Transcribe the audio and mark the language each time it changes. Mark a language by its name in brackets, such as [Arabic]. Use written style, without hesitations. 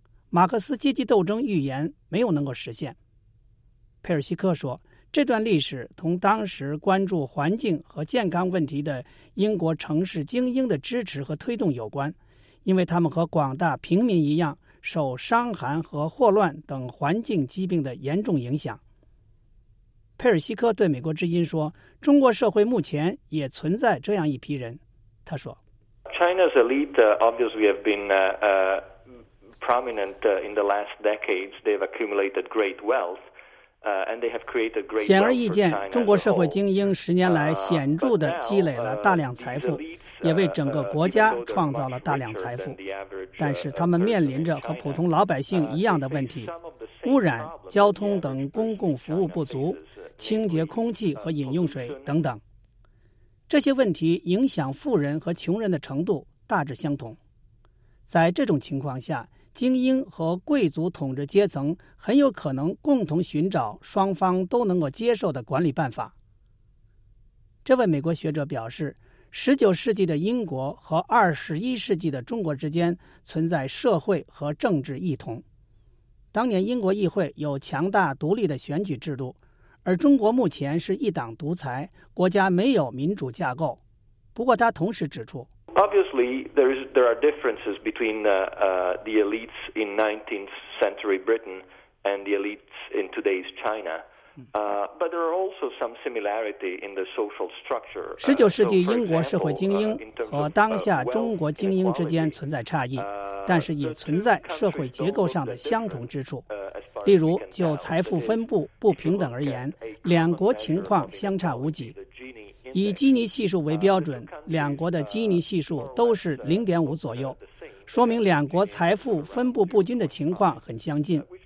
[Chinese] 马克思阶级斗争预言没有能够实现。佩尔西科说，这段历史同当时关注环境和健康问题的英国城市精英的支持和推动有关，因为他们和广大平民一样，受伤寒和霍乱等环境疾病的严重影响。佩尔西科对美国之音说，中国社会目前也存在这样一批人。他说 [English] China's elite obviously have been prominent in the last decades. They've accumulated great wealth. [Chinese] 显而易见，中国社会精英十年来显著地积累了大量财富，也为整个国家创造了大量财富。但是他们面临着和普通老百姓一样的问题，污染、交通等公共服务不足，清洁空气和饮用水等等。这些问题影响富人和穷人的程度大致相同。在这种情况下，精英和贵族统治阶层很有可能共同寻找双方都能够接受的管理办法。这位美国学者表示，19世纪的英国和21世纪的中国之间存在社会和政治异同。当年英国议会有强大独立的选举制度，而中国目前是一党独裁，国家没有民主架构。不过他同时指出， [English] Obviously, there are differences between the elites in 19th century Britain and the elites in today's China. But there are also some similarity in the social structure. [Chinese] 19世纪英国社会精英和当下中国精英之间存在差异，但是也存在社会结构上的相同之处。例如，就财富分布不平等而言，两国情况相差无几。以基尼系数为标准，两国的基尼系数都是 0.5 左右，说明两国财富分布不均的情况很相近。